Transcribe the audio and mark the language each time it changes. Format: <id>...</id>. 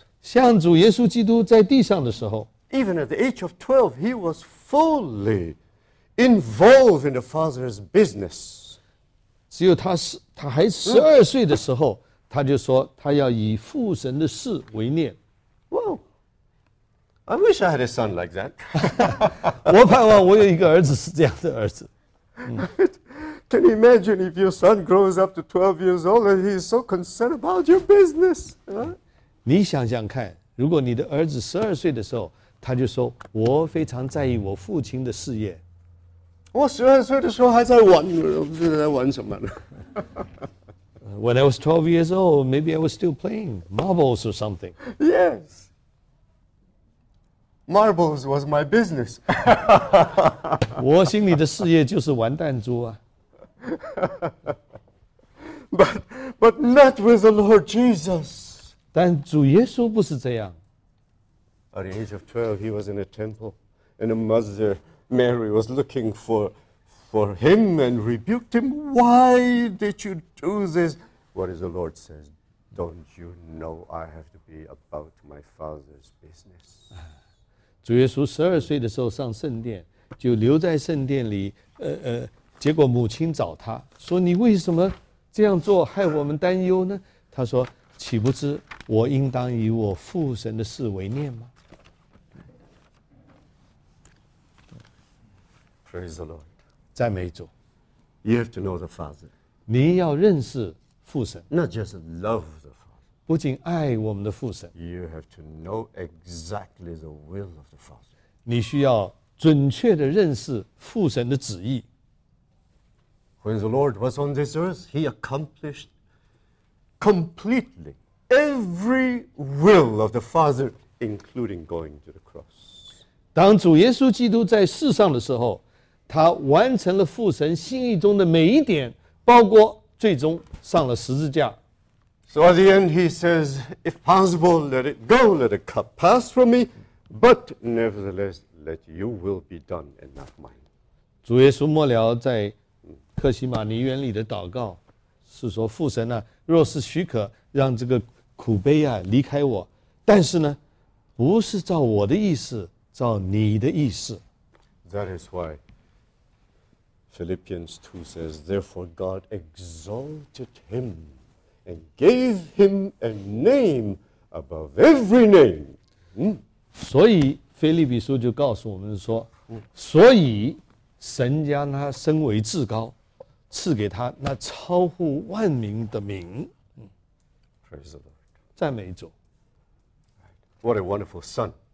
<zh>像主耶稣基督在地上的时候。</zh> <en>Even at the age of 12, he was fully involved in the Father's business.</en> <zh>只有他还12岁的时候。他就说他要以父神的事为念。</zh> <en>Whoa, I wish I had a son like that.</en> <zh>我盼望我有一个儿子是这样的儿子。</zh> <en>Can you imagine if your son grows up to 12 years old and he's so concerned about your business?</en> <zh>你想想看，如果你的儿子12岁的时候，他就说我非常在意我父亲的事业。我12岁的时候还在玩，我不知道在玩什么呢。</zh> <en>When I was 12 years old, maybe I was still playing marbles or something. Yes. Marbles was my business.</en> <zh>我心里的事业就是玩弹珠啊。</zh> <en>But not with the Lord Jesus.</en> <zh>但主耶稣不是这样。</zh> <en>At the age of 12, he was in a temple, and a mother, Mary, was looking for him and rebuked him. Why did you do this? What is the Lord says? Don't you know I have to be about my Father's business?</en> <zh>主耶稣十二岁的时候上圣殿，就留在圣殿里。结果母亲找他说：“你为什么这样做，害我们担忧呢？” 他说：“岂不知我应当以我父神的事为念吗</zh> <en>？”Praise the Lord.</en> <zh>赞美主。</zh> <en>You have to know the Father.</en> <zh>你要认识。父神</zh> <en>Not just love the Father.</en> <zh>不仅爱我们的父神</zh> <en>You have to know exactly the will of the Father.</en> <zh>你需要准确地认识父神的旨意</zh> <en>When the Lord was on this earth, he accomplished completely every will of the Father, including going to the cross.</en> <zh>当主耶稣基督在世上的时候，他完成了父神心意中的每一点，包括最终上了十字架。</zh> <en>So at the end he says, if possible, let it go, let a cup pass from me, but nevertheless, let your will be done and not mine.</en> <zh>主耶稣末了在客西马尼园里的祷告是说，父神啊，若是许可让这个苦杯啊离开我，但是呢，不是照我的意思，照你的意思。</zh> <en>That is why Philippians 2 says, therefore God exalted him and gave him a name above every name.</en> <zh>所以腓立比书就告诉我们说，所以神将他升为至高，赐给他那超乎万民的名。</zh> <en>Praise the Lord.</en> <zh>赞美主。</zh> <en>What a wonderful son.</en>